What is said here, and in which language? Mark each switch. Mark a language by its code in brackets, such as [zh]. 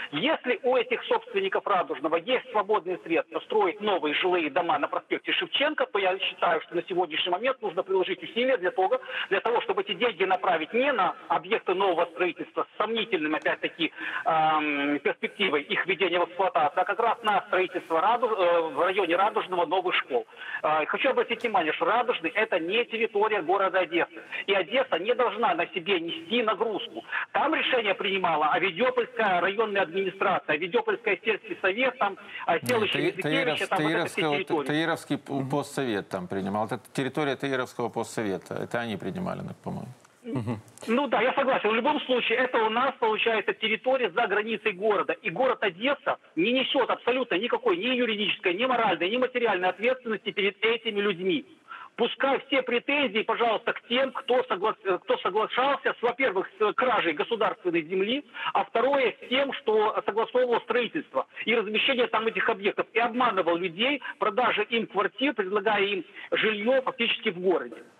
[ru] Если у этих собственников Радужного есть свободные средства строить новые жилые дома на проспекте Шевченко, то я считаю, что на сегодняшний момент нужно приложить усилия для того, чтобы эти деньги направить не на объекты нового строительства с сомнительным, опять-таки, перспективой их введения в эксплуатацию, а как раз на строительство в районе Радужного новых школ. Хочу обратить внимание, что Радужный – это не территория города Одессы. И Одесса не должна на себе нести нагрузку. Там решение принимала Авидёпольская районная администрация, Авидёпольская сельский совет, там селище Языкевича, там это все территории. [uk] Таїровський постсовет там приймав. Територія Таїровського постсовета. Це вони приймали, по-моєму. [ru] Ну да, я согласен. В любом случае, это у нас, получается, территория за границей города. И город Одесса не несет абсолютно никакой ни юридической, ни моральной, ни материальной ответственности перед этими людьми. пускай все претензии, пожалуйста, к тем, кто соглашался, во-первых, с кражей государственной земли, а второе, с тем, что согласовывал строительство и размещение там этих объектов и обманывал людей, продажа им квартир, предлагая им жилье фактически в городе.